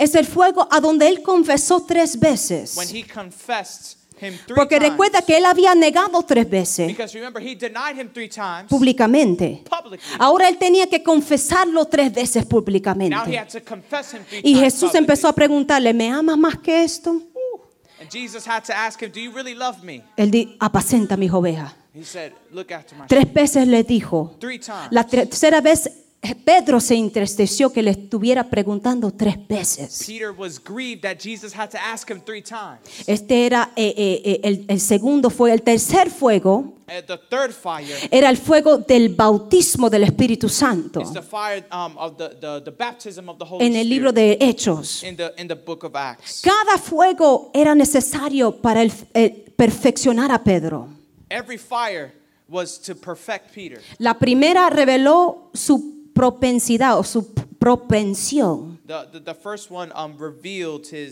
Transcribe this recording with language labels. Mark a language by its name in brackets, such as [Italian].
[Spanish] Es el fuego a donde él confesó tres veces. [English] When he confessed him three [Spanish] Porque [English] times. [Spanish] Recuerda que él había negado tres veces. [English] Because remember, he denied him three times. [Spanish] Públicamente. [English] Publicly. [Spanish] Ahora él tenía que confesarlo tres veces públicamente. [English] Now he had to confess him three times. Y Jesús publicly. [Spanish] Empezó a preguntarle, ¿me amas más que esto? [English] And Jesus had to ask him, do you really love me? [Spanish] Él dijo, apacienta mis ovejas. [English] He said, look after my [Spanish] Tres veces le dijo. [English] Three times. [Spanish] La tercera vez Pedro se entristeció que le estuviera preguntando tres veces. [English] Peter was grieved that Jesus had to ask him three times. [Spanish] Este era el segundo fuego. El tercer fuego [English] the third fire [Spanish] era el fuego del bautismo del Espíritu Santo. [English] It's the fire of the baptism of the Holy [Spanish] Spirit. En el libro de Hechos. [English] In the book of Acts. [Spanish] Cada fuego era necesario para el perfeccionar a Pedro. [English] Every fire was to perfect Peter. [Spanish] La primera reveló su propensidad o su propensión. [English] The first one revealed